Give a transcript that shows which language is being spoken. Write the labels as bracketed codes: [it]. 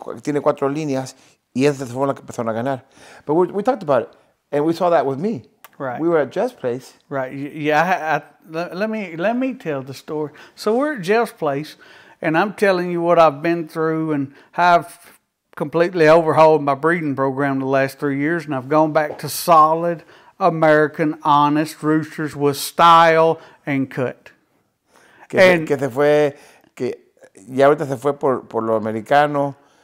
[es] Tiene cuatro líneas, y esa fue la que empezaron a ganar. [en] But we talked about it, and we saw that with me. Right. We were at Jeff's place. Right. Yeah. Let me tell the story. So we're at Jeff's place, and I'm telling you what I've been through and how I've completely overhauled my breeding program the last 3 years, and I've gone back to solid American honest roosters with style and cut. [es] Que se fue, que ya ahorita se fue por lo americano,